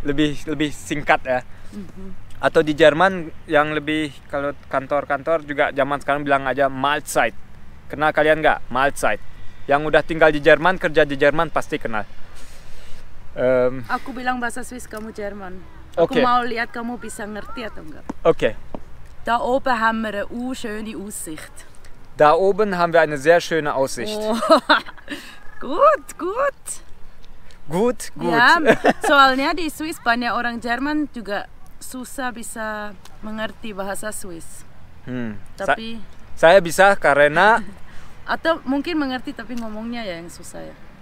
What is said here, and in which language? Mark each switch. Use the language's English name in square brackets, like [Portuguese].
[Indonesian] Lebih singkat ya. Atau di Jerman yang lebih kalau kantor-kantor juga zaman sekarang bilang aja Mahlzeit. Kenal kalian enggak? Mahlzeit. Yang udah tinggal di Jerman, kerja di Jerman pasti kenal. Aku bilang bahasa Swiss, kamu Jerman. Okay. Aku mau lihat kamu bisa ngerti atau enggak. Okay. [German] Da oben haben wir eine schöne Aussicht. Da oben haben wir eine sehr schöne Aussicht. Gut. Gut, gut. [Indonesian] Ja, soalnya di Swiss banyak orang Jerman juga susah bisa mengerti bahasa Swiss. Tapi saya bisa karena atau mungkin mengerti tapi ngomongnya ya yang susah ya.